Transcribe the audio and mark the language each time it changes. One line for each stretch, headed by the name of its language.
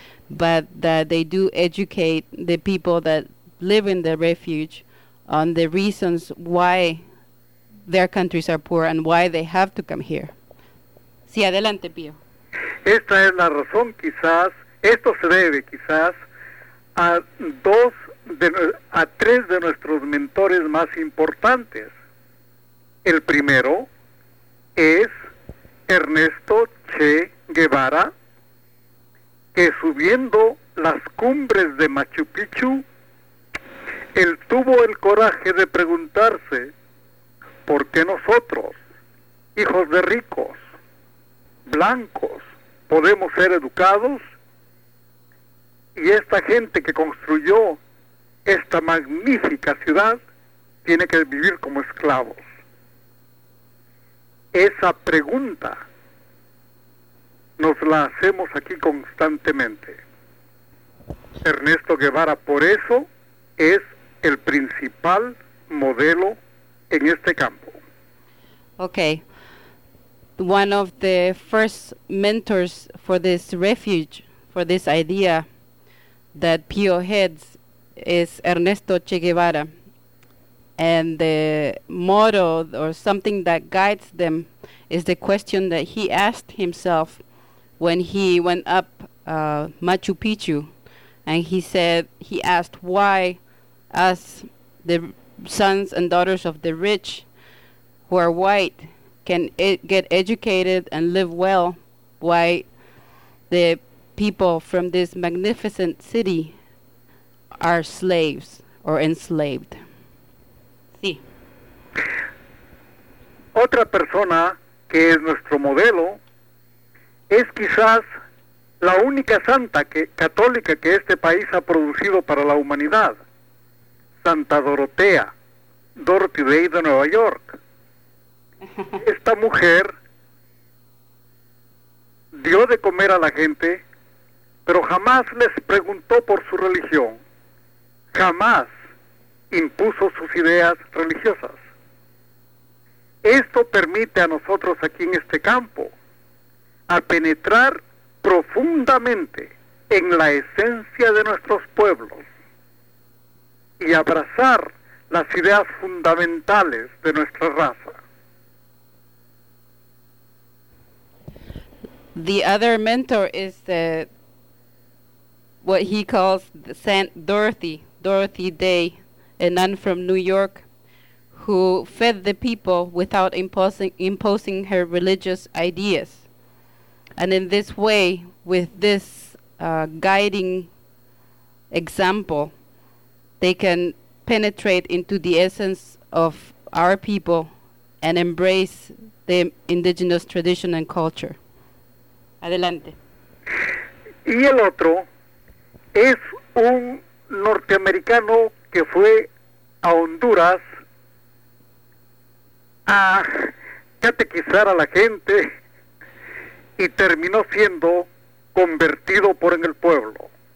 English: But that they do educate the people that live in the refuge on the reasons why their countries are poor and why they have to come here.
Spanish: Sí, adelante, Pío. Esta es la razón, quizás, esto se debe, quizás, a tres de nuestros mentores más importantes. El primero es Ernesto Che Guevara, que subiendo las cumbres de Machu Picchu, él tuvo el coraje de preguntarse por qué nosotros, hijos de ricos, blancos, podemos ser educados y esta gente que construyó esta magnífica ciudad tiene que vivir como esclavos. Esa pregunta nos la hacemos aquí constantemente. Ernesto Guevara, por eso, es el principal modelo en este campo.
English: Okay. One of the first mentors for this refuge, for this idea that Pio heads, is Ernesto Che Guevara. And the motto or something that guides them is the question that he asked himself when he went up Machu Picchu. And he asked why us, the sons and daughters of the rich, who are white can get educated and live well, why the people from this magnificent city are slaves or enslaved.
Spanish: Sí. Otra persona que es nuestro modelo es quizás la única santa católica que este país ha producido para la humanidad, Santa Dorotea, Dorothy Day de Nueva York. Esta mujer dio de comer a la gente, pero jamás les preguntó por su religión, jamás impuso sus ideas religiosas. Esto permite a nosotros aquí en este campo a penetrar profundamente en la esencia de nuestros pueblos y abrazar las ideas fundamentales de nuestra raza.
English: The other mentor is what he calls Saint Dorothy, Dorothy Day, a nun from New York, who fed the people without imposing her religious ideas. And in this way, with this guiding example, they can penetrate into the essence of our people and embrace the indigenous tradition and culture.
Spanish: Adelante. Y el otro es un norteamericano que fue a Honduras a catequizar a la gente y terminó siendo convertido por en el pueblo.